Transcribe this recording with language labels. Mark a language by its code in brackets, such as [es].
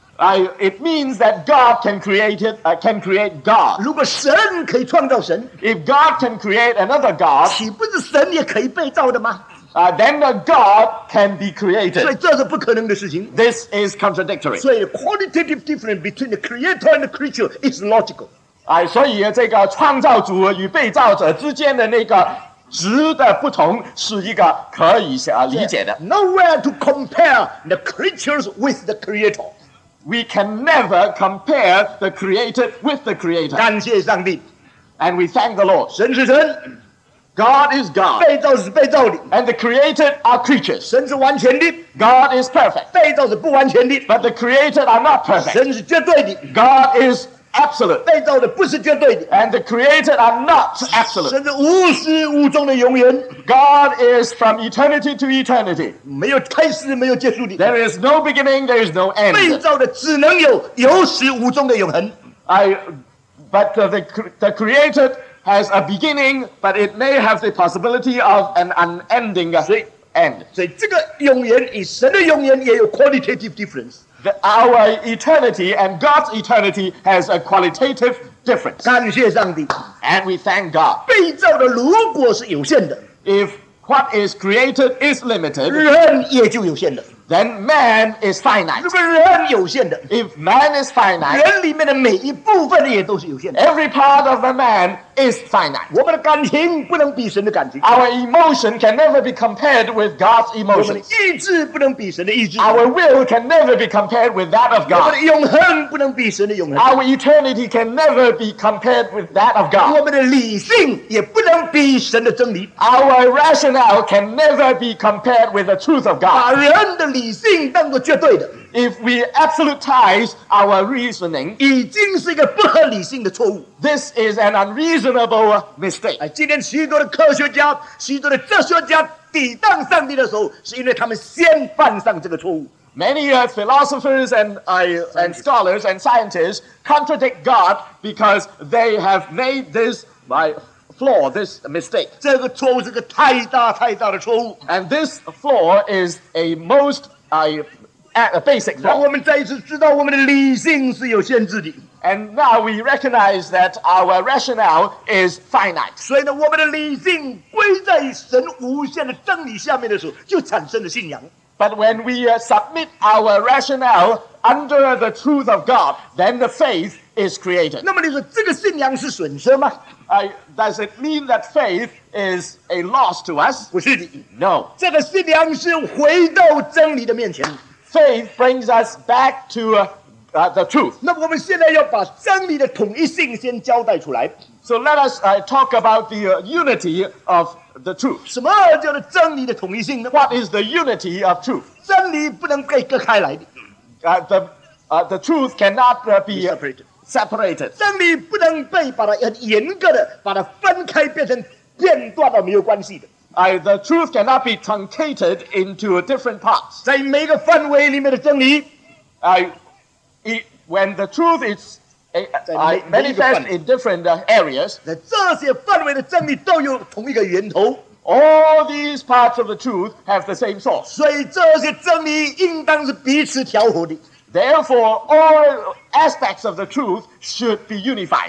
[en] It means that God can create it, can create God. [zh] 如果神可以创造神, [en] if God can create another God, [zh] 岂不是神也可以被造的吗? [en] Then the God can be created. [zh] 所以这是不可能的事情。 [en] This is contradictory. [zh] 所以 [en] qualitative difference between the creator and the creature is logical. [zh] 所以这个创造主与被造者之间的那个值的不同是一个可以理解的。 [en] Nowhere to compare the creatures with the creator. We can never compare the created with the creator. [zh] 感谢上帝。 [en] And we thank the Lord. [zh] 神是神。 [en] God is God. [zh] 被造是被造的。 [en] And the created are creatures. [zh] 神是完全的。 [en] God is perfect. [zh] 被造是不完全的。 [en] But the created are not perfect. [zh] 神是绝对的。 [en] God is absolute. [zh] 被造的不是绝对的。 [en] And the created are not absolute. [zh] 神是无始无终的永远。 [en] God is from eternity to eternity. [zh] 没有开始，没有结束的。 [en] There is no beginning, there is no end. [zh] 被造的只能有有始无终的永恒。 [en] But the created has a beginning, but it may have the possibility of an unending end. [zh] 所以这个永远与神的永远也有 [en] qualitative difference. Our eternity and God's eternity has a qualitative difference. [zh] 感谢上帝。 [en] And we thank God. [zh] 被造的如果是有限的， [en] If what is created is limited, [zh] 人也就有限的。 [en] Then man is finite. [zh] 如果人有限的， [en] If man is finite, [zh] 人里面的每一部分也都是有限的。 [en] Every part of a man is finite. [zh] 我们的感情不能比神的感情。 [en] Our emotion can never be compared with God's emotions. [zh] 我们的意志不能比神的意志。 [en] Our will can never be compared with that of God. [zh] 我们的永恒不能比神的永恒。 [en] Our eternity can never be compared with that of God. [zh] 我们的理性也不能比神的真理。 [en] Our rationale can never be compared with the truth of God. [zh] 把人的理性当作绝对的。 [en] If we absolutize our reasoning, [zh] 已经是一个不合理性的错误。 [en] This is an unreasonable mistake. [zh] 今天许多的科学家，许多的哲学家抵挡上帝的时候，是因为他们先犯上这个错误。 [en] Many philosophers and scholars and scientists contradict God because they have made this my flaw, this mistake. [zh] 这个错误是个太大太大的错误. [en] And this flaw is a most basic flaw. [zh] 让我们再一次知道我们的理性是有限制的. [en] And now we recognize that our rationale is finite. [zh] 所以呢，我们的理性归在神无限的真理下面的时候，就产生了信仰. [en] But when we submit our rationale under the truth of God, then the faith is created. [zh] 那么你说这个信仰是损失吗？ [en] Does it mean that faith is a loss to us? [zh] 不是的, [en] no. [zh] 这个信仰是回到真理的面前。 [en] Faith brings us back to the truth. [zh] 那么我们现在要把真理的统一性先交代出来。 [en] So let us talk about the unity of the truth. [zh] 什么叫做真理的统一性呢? [en] What is the unity of truth? [zh] 真理不能被割开来的。 [en] The truth cannot be separated. [zh] 真理不能被把它严格的把它分开变成片段的没有关系的。 [en] The truth cannot be truncated into different parts. [zh] 在每个范围里面的真理, [en] when the truth is manifest in different areas, [zh] 在这些范围的真理都有同一个源头, [en] all these parts of the truth have the same source. [zh] 所以这些真理应当是彼此调和的。 [en] Therefore, all aspects of the truth should be unified.